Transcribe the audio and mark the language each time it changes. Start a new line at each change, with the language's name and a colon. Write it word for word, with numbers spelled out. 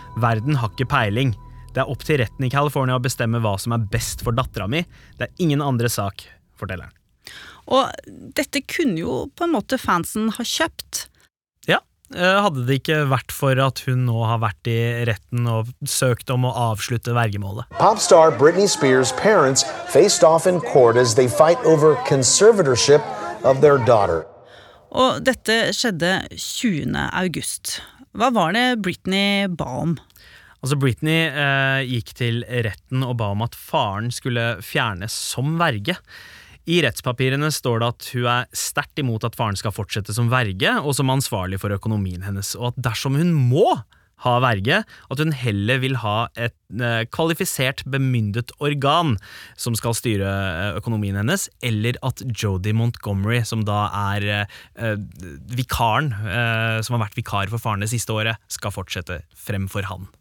Norwegian: Verden har ikke peiling. Det er opp til retten i California å bestemme hva som er best for dattera mi. Det er ingen andre sak, forteller han. Og dette kunne jo på en måte fansen ha kjøpt. Ja. Hadde det ikke vært for at hun nå har vært i retten og søkt om å avslutte vergemålet.
English: Popstar Britney Spears' parents faced off in court as they fight over conservatorship of their daughter.
Norwegian: Og dette skjedde tjuende august. Hva var det Britney ba om? Altså Britney eh, gikk til retten og ba om at faren skulle fjernes som verge. I rettspapirene står det at hun er sterkt imot at faren skal fortsette som verge og som ansvarlig for økonomien hennes, og at dersom hun må ha verge, at hun heller vil ha et kvalifisert, bemyndet organ som skal styre økonomien hennes, eller at Jodie Montgomery, som da er eh, vikaren, eh, som har vært vikar for faren det siste året, skal fortsette fremfor han.